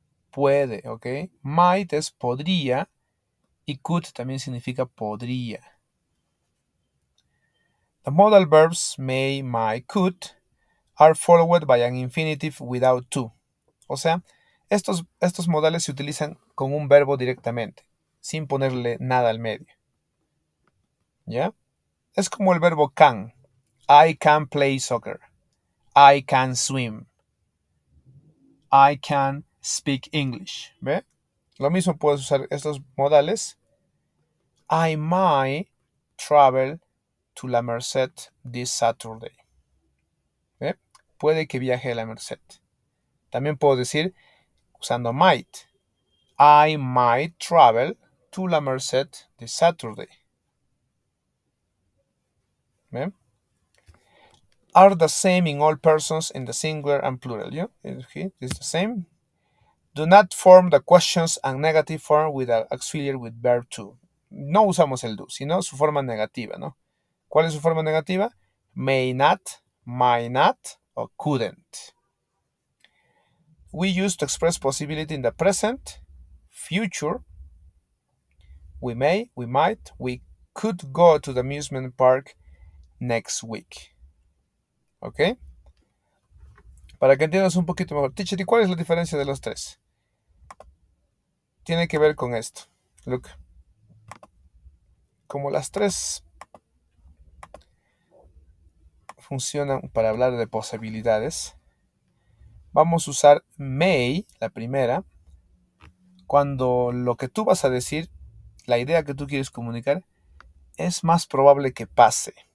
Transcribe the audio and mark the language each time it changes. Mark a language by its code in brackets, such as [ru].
[es] Puede, okay? Might es podría y could también significa podría. [en] The modal verbs may, might, could are followed by an infinitive without to. [es] O sea, estos modales se utilizan con un verbo directamente, sin ponerle nada al medio. ¿Ya? Es como el verbo can. [en] I can play soccer. I can swim. I can speak English. ¿Ve? [es] Lo mismo puedes usar estos modales. [en] I might travel to La Merced this Saturday. [es] ¿Ve? Puede que viaje a La Merced. También puedo decir, usando might, [en] I might travel to La Merced this Saturday. [es] ¿Ve? [en] Are the same in all persons in the singular and plural. Yeah? Is it the same? Do not form the questions and negative form with an auxiliary with verb to. [es] No usamos el do, sino su forma negativa, ¿no? ¿Cuál es su forma negativa? May not, might not, o couldn't. [en] We use to express possibility in the present, future. We may, we might, we could go to the amusement park next week. [es] ¿Ok? Para que entiendas un poquito mejor. Teacher, ¿y cuál es la diferencia de los tres? Tiene que ver con esto. [en] Look. [es] Como las tres funcionan para hablar de posibilidades, vamos a usar may, la primera, cuando lo que tú vas a decir, la idea que tú quieres comunicar, es más probable que pase.